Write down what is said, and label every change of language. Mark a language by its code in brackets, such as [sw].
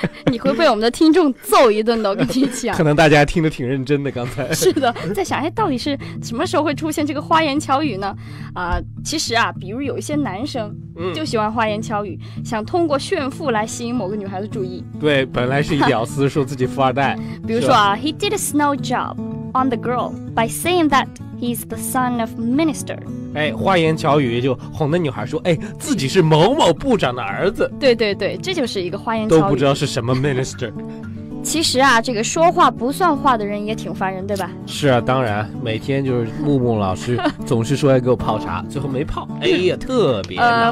[zh] 你会被我们的听众揍一顿的，我跟你讲。可能大家听得挺认真的，刚才。是的，在想，哎，到底是什么时候会出现这个花言巧语呢？其实啊，比如有一些男生，就喜欢花言巧语，想通过炫富来吸引某个女孩的注意。对，本来是一屌丝，说自己富二代。比如说啊 [en] ，He did a snow job on the girl by saying that he's the son of minister。 [zh] 哎，花言巧语就哄那女孩说，哎，自己是某某部长的儿子。对对对，这就是一个花言巧语。都不知道是什么 minister。其实啊，这个说话不算话的人也挺烦人，对吧？是啊，当然，每天就是木木老师总是说要给我泡茶，最后没泡，哎呀，特别恼。